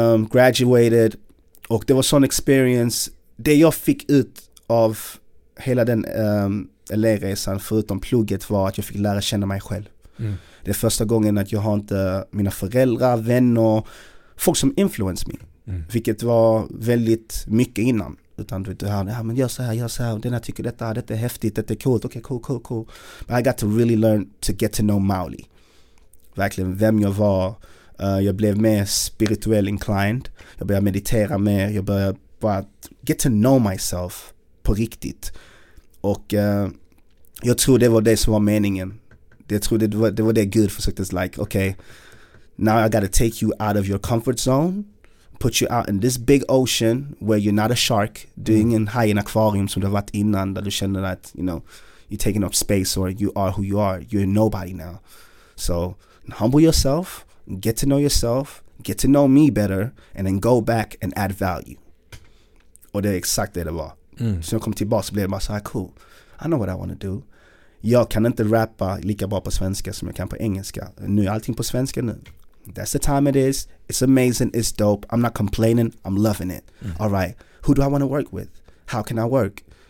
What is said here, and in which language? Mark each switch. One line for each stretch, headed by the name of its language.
Swedish: graduated, och det var sån experience. Det jag fick ut av hela den elevresan, förutom plugget, var att jag fick lära känna mig själv. Det är första gången att jag har inte mina föräldrar, vänner, folk som
English: influence me.
Swedish: Vilket var väldigt mycket innan. Utan du har det här, men gör så här, den här tycker detta, detta är häftigt, detta är coolt, okej, okay, cool.
English: But I got to really learn to get to know Maoli.
Swedish: Verkligen vem jag var. Jag blev mer spirituell inclined. Jag började meditera mer. Jag började bara
English: get to know myself
Swedish: på riktigt. Och jag tror det var det som var meningen. Jag tror det var det Gud försökte,
English: like, okay, now I got to take you out of your comfort zone, put you out in this big ocean where you're not a shark,
Swedish: du är ingen haj i en akvarium som du har varit innan, där du känner att,
English: you know, you're taking up space, or you are who you are, you're nobody now. So humble yourself, get to know yourself, get to know me better, and then go back and add value.
Swedish: Och det är exakt det det var. Så jag kom tillbaka och blev bara så här,
English: cool, I know what I want to do.
Swedish: Jag kan inte rappa lika bra på svenska som jag kan på engelska. Nu är allting på svenska nu.
English: That's the time it is. It's amazing. It's dope. I'm not complaining. I'm loving it. All right. Who do I want to work with? How can I work?